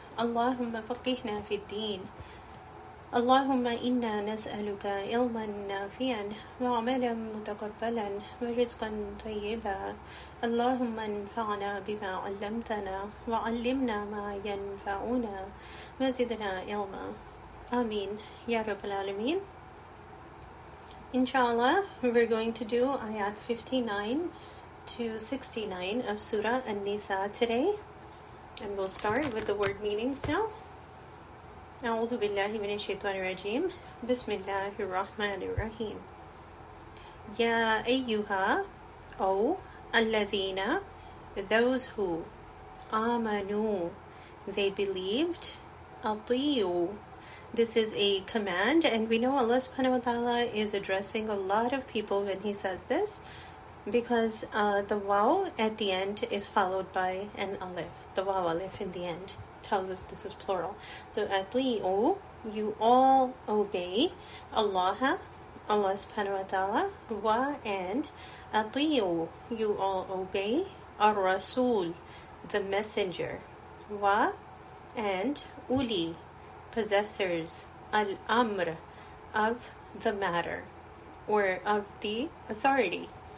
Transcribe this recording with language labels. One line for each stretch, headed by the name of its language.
Arabic: اللهم فقهنا في الدين. اللهم إنا نسألك علما نافعا وعملا متقبلا ورزقا طيبا. اللهم انفعنا بما علمتنا وعلمنا ما ينفعنا وزدنا علما. آمين يا رب العالمين.
English: Inshallah, we're going to do ayat 59 to 69 of Surah An-Nisa today. And we'll start with the word meanings now.
Arabic: أعوذ بالله من الشيطان الرجيم. بسم الله الرحمن الرحيم. يا أيها أو الذين
English: those who
Arabic: آمنوا
English: they believed
Arabic: أطيعوا.
English: This is a command, and we know Allah subhanahu wa ta'ala is addressing a lot of people when he says this, because the waw at the end is followed by an aleph. The waw aleph in the end tells us this is plural. So atwi'u, you all obey Allah, Allah subhanahu wa ta'ala, wa, and atwi'u, you all obey ar-rasul, the messenger, wa, and uli, possessors, al-amr, of the matter, or of the authority.